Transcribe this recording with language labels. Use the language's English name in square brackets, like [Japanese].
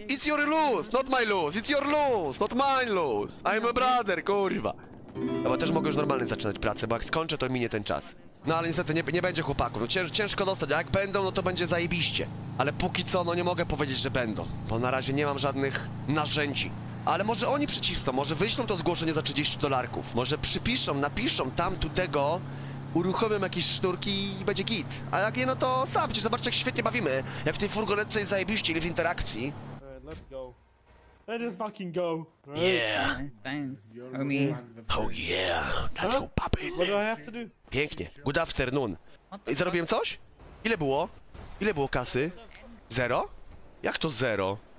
[English] It's your lose, not my lose. It's your lose, not mine lose. I'm a brother, kurwa. [Polish] Bo też mogę już normalnie zaczynać pracę, bo jak skończę, to minie ten czas. No ale niestety nie będzie chłopaków. No, ciężko dostać, a jak będą, no to będzie zajebiście. Ale póki co, no nie mogę powiedzieć, że będą. Bo na razie nie mam żadnych narzędzi. Ale może oni przeciwstą, może wyślą to zgłoszenie za 30 dolarków. Może przypiszą, napiszą tam tu tego, uruchomią jakieś sznurki i będzie git. A jak nie, no to sam, przecież zobaczcie, jak świetnie bawimy. Jak w tej furgonetce jest zajebiście, ile z interakcji. [English] Alright, let's go. Let us fucking go. Right? Yeah. Nice, thanks. Oh yeah, that's huh? What do I have to do? [Polish] Pięknie. [English] Good afternoon. [Polish] I zarobiłem coś? Ile było? Ile było kasy? Zero? Jak to zero?